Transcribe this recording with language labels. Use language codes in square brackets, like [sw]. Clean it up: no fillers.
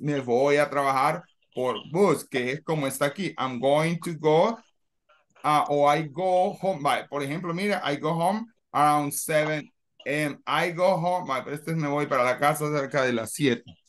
[es] Me voy a trabajar por bus, que es como está aquí. [en] I'm going to go, I go home by. [es] Por ejemplo, mira, [en] I go home around 7 a.m. I go home by. [es] Este me voy para la casa cerca de las 7.